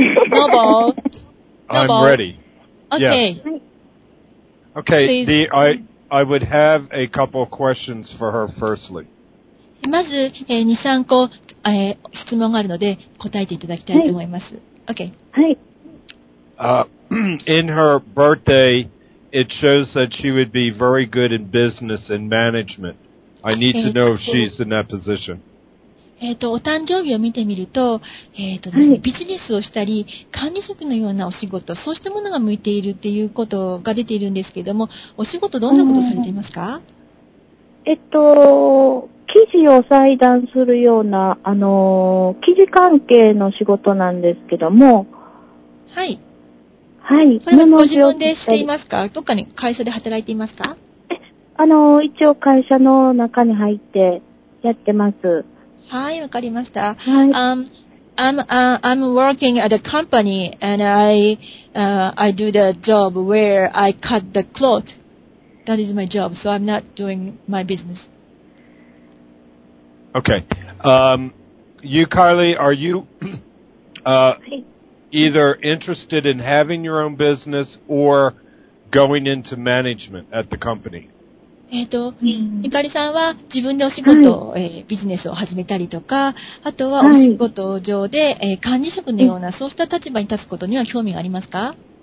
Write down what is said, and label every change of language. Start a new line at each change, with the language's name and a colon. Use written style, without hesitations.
English: ノボー。 I'm ready. Okay. Yes. Okay, I would have a couple of questions for her firstly.
Japanese: まず、2、3個、質問があるので答えていただきたいと思います。はい。
English: Okay.
Japanese: はい。
English: In her birthday, it shows that she would be very good in business and management. I need to know if she's in that position.
Japanese: お誕生日を見てみると、ですね、はい、ビジネスをしたり、管理職のようなお仕事、そうしたものが向いているっていうことが出ているんですけれども、お仕事どんなことをされていますか？生地を裁断するような、生地関係の仕事なんですけども。はい。はい。それもご自分でしていますか？どっかに会社で働いていますか？一応会社の中に入ってやってます。はい、わかりました。はい。
English: I'm working at a company and I do the job where I cut the cloth. That is my job, so I'm not doing my business. Okay. You, Carly, are you either interested in having your own business or going into management at the company?
Japanese: ゆかりさんは自分でお仕事を、ビジネスを始めたりとか、あとはお仕事上で、管理職のようなそうした立場に立つことには興味がありますか？